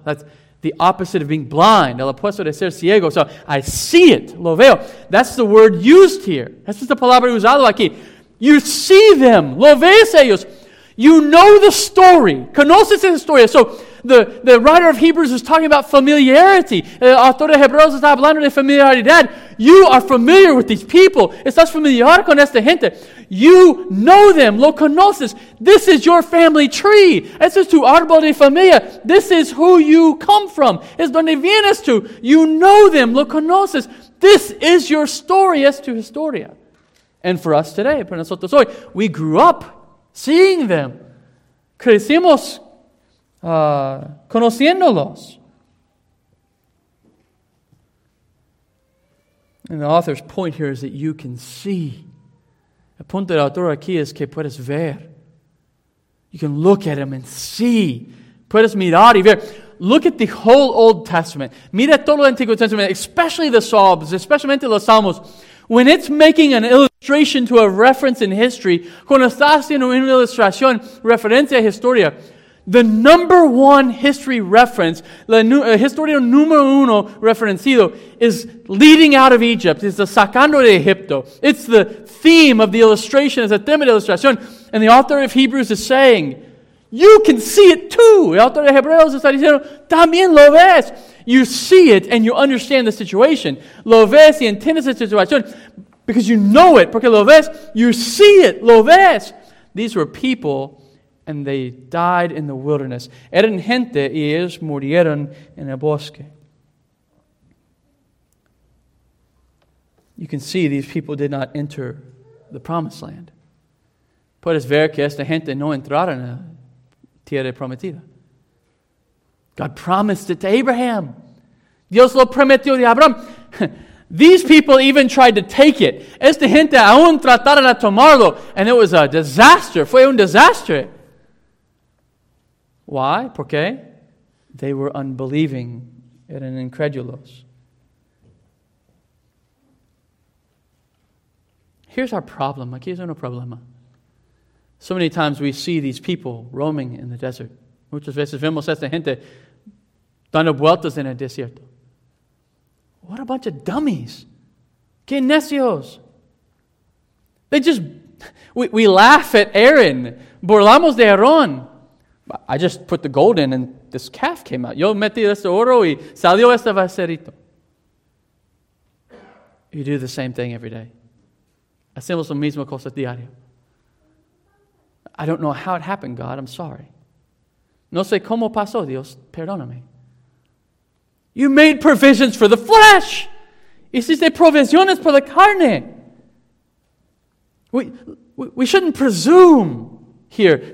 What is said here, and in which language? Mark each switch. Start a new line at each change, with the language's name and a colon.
English: That's the opposite of being blind.
Spanish: El opuesto de ser ciego.
English: So I see it,
Spanish: lo veo.
English: That's the word used here. That's just the
Spanish: palabra usado aquí.
English: You see them,
Spanish: lo ves ellos.
English: You know the story.
Spanish: Conoces esa historia.
English: So the writer of Hebrews is talking about familiarity.
Spanish: El autor de Hebreos está hablando de familiaridad.
English: You are familiar with these people.
Spanish: Estás familiar con esta gente.
English: You know them.
Spanish: Lo conoces.
English: This is your family tree.
Spanish: Este es tu árbol de familia.
English: This is who you come from.
Spanish: Es donde vienes tú.
English: You know them.
Spanish: Lo conoces.
English: This is your story.
Spanish: Es tu historia.
English: And for us today,
Spanish: para nosotros hoy,
English: we grew up seeing them.
Spanish: Crecimos conociéndolos.
English: And the author's point here is that you can see.
Spanish: El punto del autor aquí es que puedes ver.
English: You can look at him and see.
Spanish: Puedes mirar y ver.
English: Look at the whole Old Testament.
Spanish: Mira todo el Antiguo Testamento,
English: especially the Psalms, especially
Spanish: los Salmos.
English: When it's making an illustration to a reference in history,
Spanish: cuando está haciendo una ilustración, referencia a historia,
English: the number one history reference,
Spanish: la historia número uno referenciado,
English: is leading out of Egypt. It's the
Spanish: sacando de Egipto.
English: It's the theme of the illustration. It's a theme of the illustration. And the author of Hebrews is saying, you can see it too.
Spanish: El autor de Hebreos está diciendo, también lo ves.
English: You see it and you understand the situation.
Spanish: Lo ves y entiendes la situación.
English: Because you know it.
Spanish: Porque lo ves.
English: You see it.
Spanish: Lo ves.
English: These were people and they died in the wilderness.
Spanish: Eran gente y ellos murieron en el bosque.
English: You can see these people did not enter the promised land.
Spanish: Puedes ver que esta gente no entraron en Tierra Prometida.
English: God promised it to Abraham.
Spanish: Dios lo prometió de Abraham.
English: These people even tried to take it.
Spanish: Esta gente aún trataron de tomarlo.
English: And it was a disaster.
Spanish: Fue un desastre.
English: Why?
Spanish: ¿Por qué?
English: They were unbelieving.
Spanish: Eran incredulos.
English: Here's our problem.
Spanish: Aquí es un problema.
English: So many times we see these people roaming in the desert.
Spanish: Muchas veces vemos a esta gente dando vueltas en el desierto.
English: What a bunch of dummies.
Spanish: Qué necios.
English: They just, we laugh at Aaron.
Spanish: Burlamos de Aaron.
English: I just put the gold in and this calf came out.
Spanish: Yo metí este oro y salió este becerrito.
English: You do the same thing every day.
Spanish: Hacemos la misma cosa diario.
English: I don't know how it happened, God. I'm sorry.
Spanish: No sé cómo pasó, Dios. Perdóname.
English: You made provisions for the flesh.
Spanish: Hiciste provisiones por la carne.
English: We shouldn't presume here.